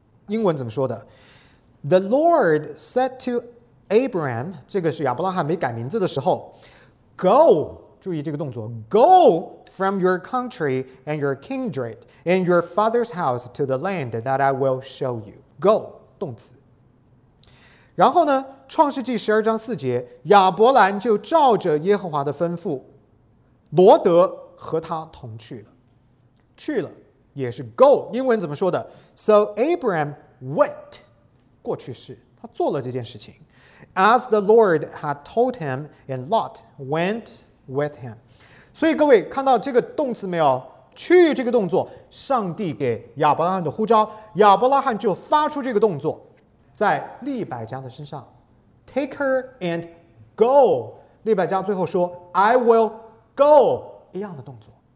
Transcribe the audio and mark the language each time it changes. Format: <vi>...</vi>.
<zh>英文怎么说的？</zh> <en>The Lord said to Abraham，</en> <zh>这个是亚伯拉罕没改名字的时候，</zh> <en>Go，</en> <zh>注意这个动作，</zh> <en>Go from your country and your kindred and your father's house to the land that I will show you。Go，</en> <zh>动词。然后呢，创世纪十二章四节，亚伯兰就照着耶和华的吩咐，罗德和他同去了。去了也是 go， 英文怎么说的？</zh> <en>So Abraham went，</en> <zh>过去式，他做了这件事情。</zh> <en>As the Lord had told him and Lot went with him。</en> <zh>所以各位看到这个动词没有？去这个动作，上帝给亚伯拉罕的呼召，亚伯拉罕就发出这个动作，在利百加的身上，</zh> <en>take her and go，</en> <zh>利百加最后说</zh> <en>I will go，</en> <zh>一样的动作。</zh>